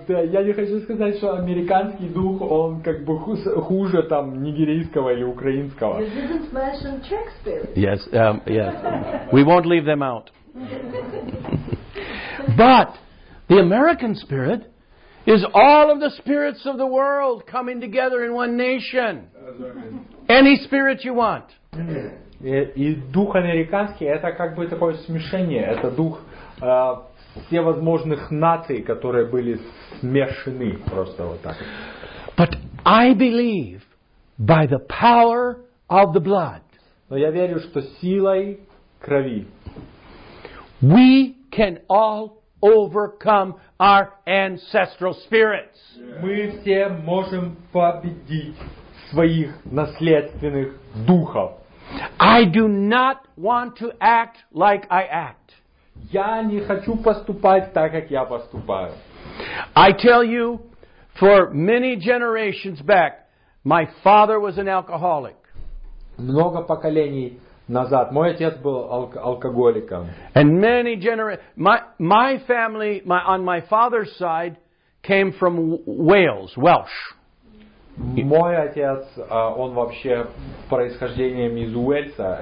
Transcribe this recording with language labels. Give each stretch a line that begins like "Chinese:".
Russian: Я не хочу сказать, что американский дух он как бы хуже там нигерийского или украинского.
English: You didn't mention Czech spirit. Yes, yes. We won't leave them out. But the American spirit is all of the spirits of the world coming together in one nation. Any spirit you want.
Russian: И дух американский это как бы такое смешение, это дух всевозможных наций, которые были смешаны просто вот так.
English: But I believe by the power of the blood.
Russian: Но я верю, что силой крови.
English: We can all overcome our ancestral spirits.
Russian: Мы все можем победить своих наследственных духов.
English: I do not want to act like I act.
Russian: Я не хочу поступать так, как я поступаю.
English: I tell you, for many generations back, my father was an alcoholic.
Russian: Много поколений назад. Мой отец был алкоголиком.
English: And many my family on my father's side came from Wales, Welsh.
Russian: Мой отец, он вообще происхождением из Уэльса.